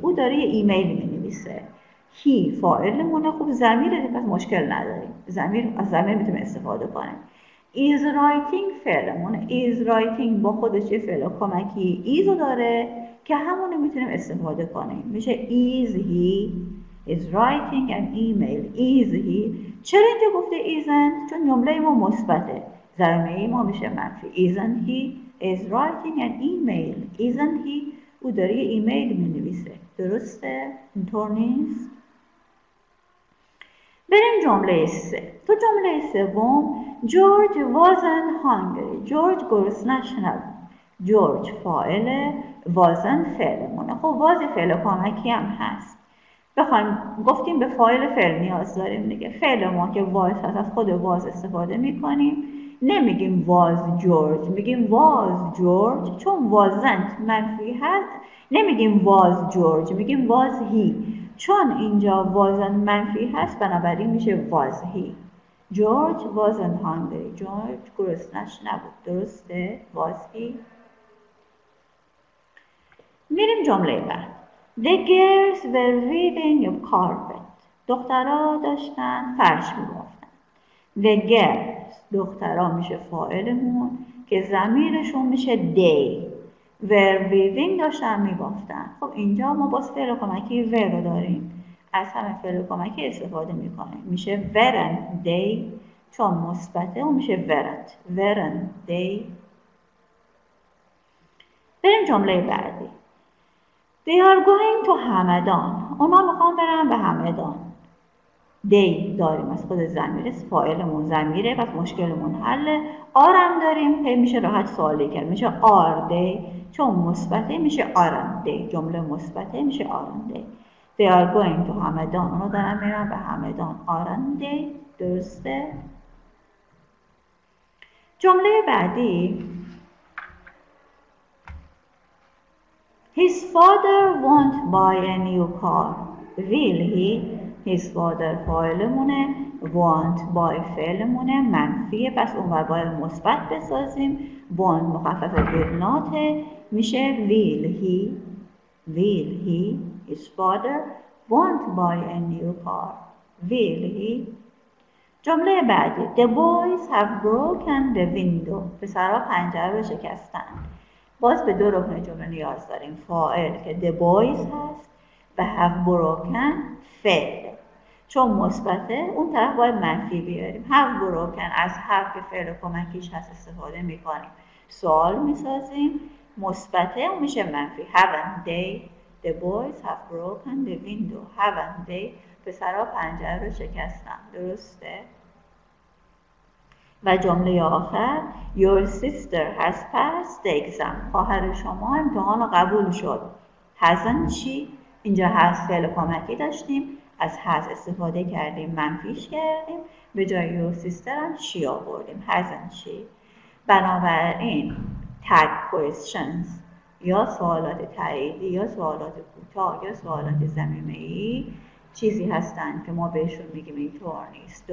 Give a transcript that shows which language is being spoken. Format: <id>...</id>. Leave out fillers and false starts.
<fa>او داره یه ایمیل می نویسه. He فاعل مونه، خوب ضمیره پس مشکل نداریم. ضمیر از ضمیر می تونیم استفاده کنیم. Is writing فعل مونه. Is writing با خودش یه فعل کمکی is رو داره که همونو می تونیم استفاده کنیم. میشه</fa> <en>is he is writing an email. Is he.</en> <fa>چرا اینجا گفته isn't؟ چون جمله ما مثبته. ضمیر ما میشه منفی.</fa> <en>Isn't he is writing an email. Isn't he؟</en> <fa>او داره یه ایمیل می نویسه. درسته؟ اینطور نیست؟ بریم جمله سه. تو جمله سوم جورج</fa> <en>wasn't hungry.</en> <fa>جورج گرسنه نبود. جورج فاعل، wasn't فعلمونه. خب واز فعل کمکی هم هست. بخوایم گفتیم به فاعل فعل نیاز داریم دیگه. فعل ما که واز هست از خود واز استفاده می کنیم. نمیگیم was George، میگیم was George، چون wasn't منفی هست نمیگیم was George، میگیم was he، چون اینجا wasn't منفی هست بنابراین میشه was he.</fa> <en>George wasn't hungry.</en> <fa>George گرسنه نبود. درسته؟</fa> <en>was he.</en> <fa>میریم جمله بعد.</fa> <en>The girls were weaving a carpet.</en> <fa>دخترها داشتن فرش میبافتن. The girls دخترها میشه فاعلمون که ضمیرشون میشه they. were weaving داشتن میبافتن. خب اینجا ما باز فعل کمکی were رو داریم، از همه فعل کمکی استفاده میکنیم، میشه</fa> <en>weren't they،</en> <fa>چون مثبته و میشه weren't.</fa> <en>weren't they.</en> <fa>بریم جمله بعدی.</fa> <en>they are going to Hamadan.</en> <fa>اونا میخوان برن به همدان. دی داریم از خود ضمیر، فاعلمون ضمیره پس مشکلمون حله. آرم داریم که میشه راحت سوالی کرد، میشه آر دی، چون مثبته میشه آرم دی، جمله مثبته میشه آرم دی.</fa> <en>They are going to Hamadan.</en> <fa>اونا دارن میرن به همدان.</fa> <en>Aren't they?</en> <fa>درسته؟ جمله بعدی.</fa> <en>His father won't buy a new car. Will he? His father</en> <fa>فاعلمونه.</fa> <en>Won't buy</en> <fa>فعلمونه. منفیه. پس اون بر باید مثبت بسازیم.</fa> <en>Won't</en> <fa>مخفف</fa> <en>will not.</en> <fa>میشه</fa> <en>will he. Will he? His father won't buy a new car. Will he?</en> <fa>جمله بعدی.</fa> <en>The boys have broken the window.</en> <fa>پسرها پنجره رو شکستن. باز به دو رکن جمله نیاز داریم. فاعل که the boys هست و have broken فعل. چون مثبته اون طرف باید منفی بیاریم. Have broken از have که فعل کمکیش هست استفاده میکنیم. سوال میسازیم. مثبته اون میشه منفی.</fa> <en>Haven't they? The boys have broken the window. Haven't they?</en> <fa>پسرها پنجره رو شکستن. درسته؟ و جمله آخر</fa> <en>Your sister has passed the exam.</en> <fa>خواهر شما امتحان قبول شد.</fa> <en>Hasn't she?</en> <fa>اینجا has فعل کمکی داشتیم. از has استفاده کردیم. منفیش کردیم. به جای your sister هم she آوردیم.</fa> <en>Hasn't she?</en> <fa>بنابراین tag questions یا سوالات تاییدی یا سوالات کوتاه یا سوالات زمینه‌ای چیزی هستند که ما بهشون میگیم اینطور نیست.</fa>